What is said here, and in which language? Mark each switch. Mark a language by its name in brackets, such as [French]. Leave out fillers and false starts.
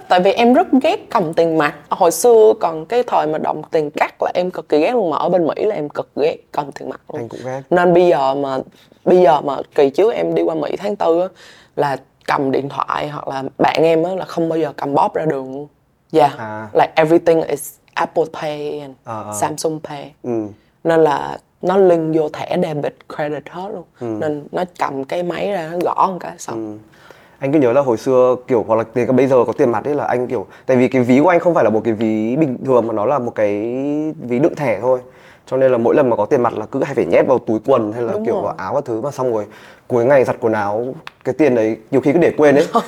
[Vietnamese] Tại vì em rất ghét cầm tiền mặt. Hồi xưa còn cái thời mà đồng tiền cắt là em cực kỳ ghét luôn. Mà ở bên Mỹ là em cực ghét cầm tiền mặt luôn. Anh cũng ghét. Nên bây giờ mà kỳ trước em đi qua Mỹ tháng 4 á, là cầm điện thoại hoặc là bạn em á, là không bao giờ cầm bóp ra đường. [English] Yeah, like everything is Apple Pay and Samsung Pay. [Vietnamese] Nên là nó link vô thẻ debit credit hết luôn. Nên nó cầm cái máy ra nó gõ một cái xong. Anh cứ nhớ là hồi xưa kiểu hoặc là tiền bây giờ có tiền mặt ấy là anh kiểu, tại vì cái ví của anh không phải là một cái ví bình thường mà nó là một cái ví đựng thẻ thôi. Cho nên là mỗi lần mà có tiền mặt là cứ hay phải nhét vào túi quần hay là kiểu vào áo các thứ, mà xong rồi cuối ngày giặt quần áo cái tiền đấy nhiều khi cứ để quên ấy.